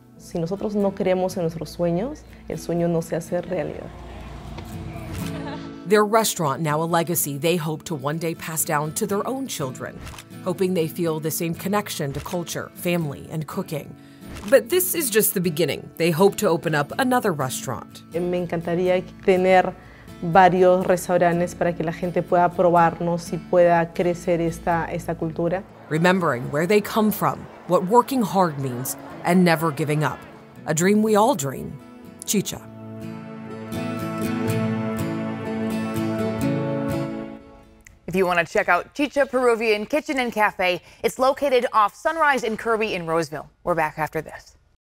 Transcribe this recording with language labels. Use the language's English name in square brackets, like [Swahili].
[Spanish] Si nosotros no creemos en nuestros sueños, el sueño no se hace realidad. [English] Their restaurant, now a legacy they hope to one day pass down to their own children, hoping they feel the same connection to culture, family, and cooking. But this is just the beginning. They hope to open up another restaurant. [Spanish] Me encantaría tener varios restaurantes para que la gente pueda probarnos y pueda crecer esta cultura. [English] Remembering where they come from, what working hard means, and never giving up. A dream we all dream. Chicha. If you want to check out Chicha Peruvian Kitchen and Cafe, it's located off Sunrise and Kirby in Roseville. We're back after this.